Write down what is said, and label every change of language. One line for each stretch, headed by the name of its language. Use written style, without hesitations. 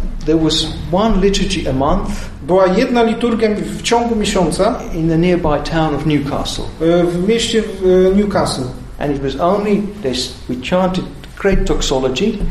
English: there was one liturgy a month.
Polish: Była jedna liturgia w ciągu miesiąca
English: in the nearby town of Newcastle.
Polish: W mieście Newcastle.
English: And it was only this. We chanted great doxology.